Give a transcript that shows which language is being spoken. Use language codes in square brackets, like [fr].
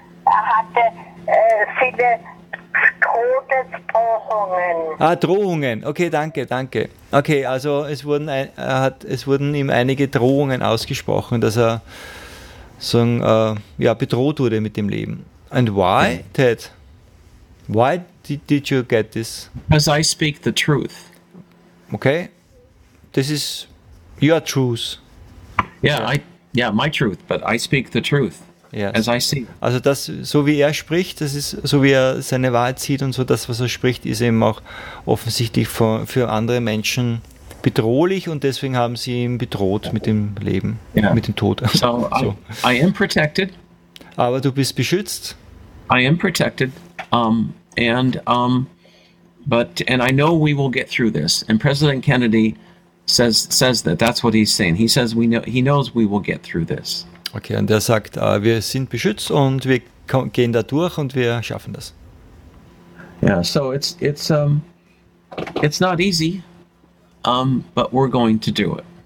[de] Er hatte viele Todesdrohungen. Ah, Drohungen. Okay, danke. Okay, also es wurden ihm einige Drohungen ausgesprochen, dass er bedroht wurde mit dem Leben. [en] And why, Ted? Why did you get this? Because I speak the truth. Okay. This is your truth. My truth, but I speak the truth, yes. As I see. [de] Also das, so wie er spricht, das ist so, wie er seine Wahrheit sieht und so, das, was er spricht, ist eben auch offensichtlich für andere Menschen bedrohlich und deswegen haben sie ihn bedroht mit dem Leben, mit dem Tod. [en] So, I am protected. [de] Aber du bist beschützt. [en] I am protected, and I know we will get through this, and President Kennedy says that. That's what he's saying. He says he knows we will get through this. [de] Okay, und er sagt, wir sind beschützt und wir gehen da durch und wir schaffen das. [en] Yeah, so it's not easy, but we're going to do it.